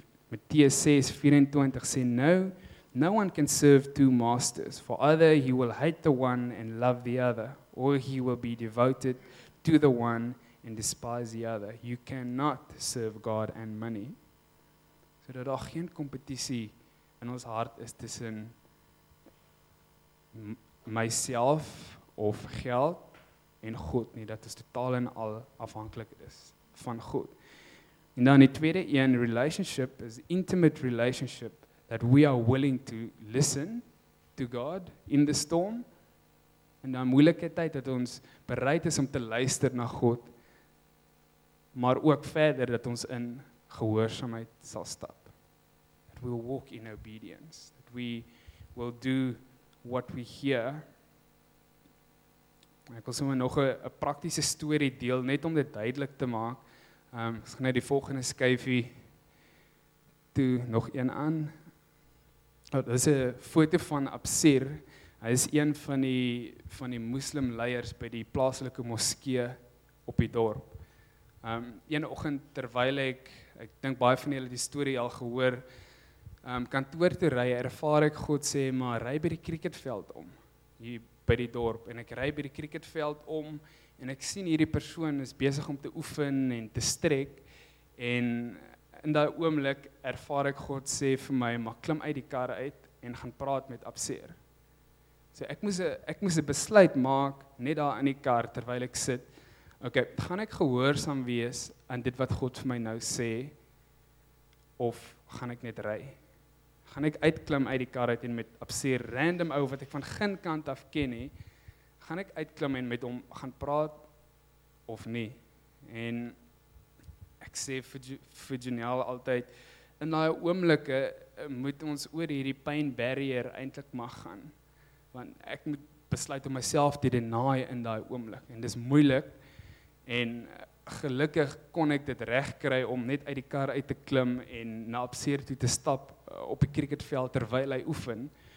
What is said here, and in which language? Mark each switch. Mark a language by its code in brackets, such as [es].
[en] Matteus 6, 24 sê, no one can serve 2 masters, for either he will hate the one and love the other, or he will be devoted to the one and despise the other. You cannot serve God and money. [af] So dat daar geen kompetisie in ons hart is tussen myself of geld en God nie, dat is totaal en al afhanklik is van God. En dan die tweede een, [en] relationship, is intimate relationship, that we are willing to listen to God in the storm. [af] En dan moeilike tyd dat ons bereid is om te luister na God, maar ook verder dat ons in gehoorsaamheid sal stap. [en] That we will walk in obedience. That we will do what we hear. [af] Ek wil sommer nog 'n praktiese storie deel, net om dit duidelik te maak. Ek gaan net die volgende skyfie toe nog een aan. Dit is 'n foto van Absir. Hy is een van die moslimleiers by die plaaslike moskee op die dorp. Een oggend terwyl ek dink baie van julle die storie al gehoor, kantoor toe ry, ervaar ek God sê, maar ry by die cricketveld om, hier by die dorp. En ek ry by die cricketveld om, En ek sien hierdie persoon is besig om te oefen en te strek en in daai oomblik ervaar ek God sê vir my, maar klim uit die kar uit en gaan praat met Abseer. So ek moes 'n besluit maak net daar in die kar terwyl ek sit. Ok, gaan ek gehoorsaam wees aan dit wat God vir my nou sê, of gaan ek net ry? Gaan ek uitklim uit die kar uit en met Abseer, random ou wat ek van geen kant af ken nie, gaan ek uitklim en met hom gaan praat of nie? En ek sê vir Janelle altyd, in die oomblikke moet ons oor hierdie pyn barrier eintlik mag gaan, want ek moet besluit om myself te denaai in die oomblik, en dis moeilik. En gelukkig kon ek dit reg kry om net uit die kar uit te klim en na Abseer toe te stap op die cricketveld terwyl hy oefen.